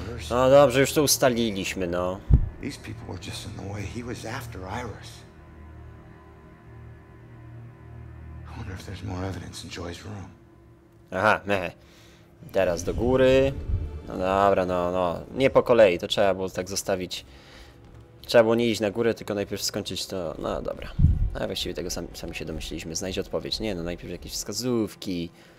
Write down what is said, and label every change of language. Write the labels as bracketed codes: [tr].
[pl] No dobrze, już to ustaliliśmy, no. [en] These people were just in the way. He was after Iris. I wonder if there's more evidence in Joy's room. [pl] Aha, meh. Teraz do góry. No dobra, no, no. Nie po kolei, to trzeba było tak zostawić. Trzeba było nie iść na górę, tylko najpierw skończyć to. No dobra. No właściwie tego sami się domyśliliśmy. Znajdź odpowiedź. Nie, no najpierw jakieś wskazówki.